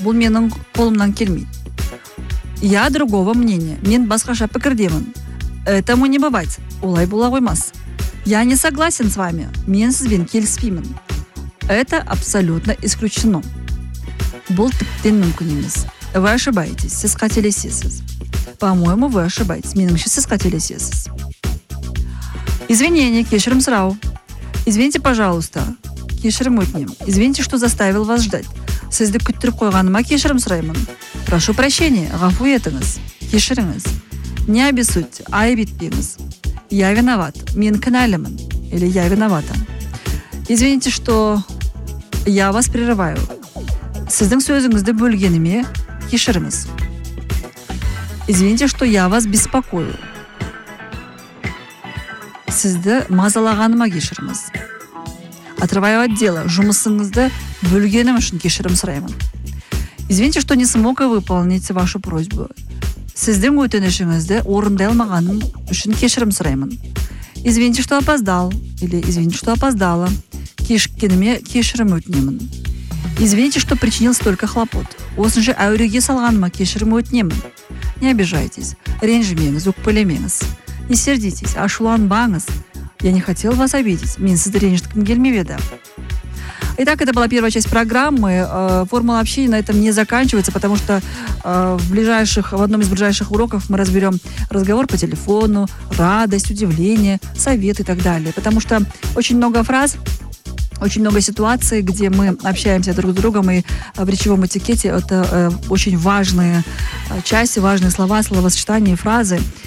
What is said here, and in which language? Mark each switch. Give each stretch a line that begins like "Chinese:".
Kazakh: Бұл менің қолымнан келмейді.
Russian: Я другого мнения.
Kazakh: Мен басқаша пікірдемін.
Russian: Этому не бывать.
Kazakh: Олай бола қоймас.
Russian: Я не согласен с вами.
Kazakh: Мен сізбен келіспеймін.
Russian: Это абсолютно исключено.
Kazakh: Бұл тіптен мүмкін емес.
Russian: Вы ошибаетесь.
Kazakh: Сіз қателесесіз.
Russian: По-моему, вы ошибаетесь.
Kazakh: Меніңше сіз қателесесіз.
Russian: Извинения.
Kazakh: Кешірім сұрау.
Russian: Извините, пожалуйста.
Kazakh: Кешірім өтінем.
Russian: Извините, что заставил вас ждать.
Kazakh: Сізді күттіріп қойғаныма кешірім сұраймын.
Russian: Прошу прощения,
Kazakh: ғафу етіңіз, кешіріңіз.
Russian: Не обессудьте,
Kazakh: айып етпеңіз.
Russian: Я виноват,
Kazakh: мен кінәлімін.
Russian: Или я виновата. Извините, что я вас прерываю.
Kazakh: Сіздің сөзіңізді бөлгеніме кешіріңіз.
Russian: Извините, что я вас беспокою.
Kazakh: Сізді мазалағаныма кешіріңіз.
Russian: Отрываю от дела.
Kazakh: Жұмысыңызды бөлгенім үшін кешірім сұраймын.
Russian: Извините, что не смог выполнить вашу просьбу.
Kazakh: Сіздің өтінішіңізді орындай алмағаным үшін кешірім сұраймын.
Russian: Извините, что опоздал. Или извините, что опоздала.
Kazakh: Кешіккеніме кешірім өтінемін.
Russian: Извините, что причинил столько хлопот.
Kazakh: Осынша әуреге салғаныма кешірім өтінемін.
Russian: Не обижайтесь.
Kazakh: Ренжімеңіз, өкпелемеңіз.
Russian: Не сердитесь.
Kazakh: Ашуланбаңыз.
Russian: Я не хотел вас обидеть.
Kazakh: Мен сізді ренжіткім келмеді.
Russian: Итак, это была первая часть программы. Формула общения на этом не заканчивается, потому что в одном из ближайших уроков мы разберем разговор по телефону, радость, удивление, совет и так далее. Потому что очень много фраз, очень много ситуаций, где мы общаемся друг с другом, и в речевом этикете это очень важные части, важные слова, словосочетания, фразы.